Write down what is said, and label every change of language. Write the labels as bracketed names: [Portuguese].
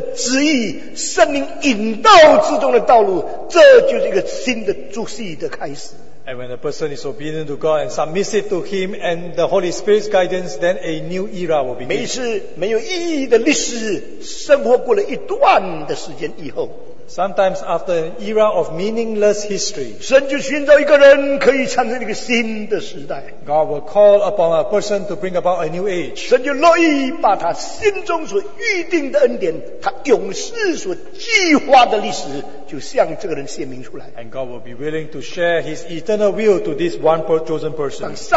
[Chinese] 一个人顺服上帝的呼召走在神的旨意圣灵引导之中的道路, 这就是一个新的主席的开始。 [English] And when a person is obedient to God and submissive to Him and the Holy Spirit's guidance, then a new era will begin. [Chinese] 每次没有意义的历史生活过了一段的时间以后, [English] sometimes after an era of meaningless history, [Chinese] 神就寻找一个人可以产生一个新的时代, [English] God will call upon a person to bring about a new age. [Chinese] 神就乐意把他心中所预定的恩典他永世所计划的历史就向这个人显明出来, [English] and God will be willing to share His eternal will to this one chosen person.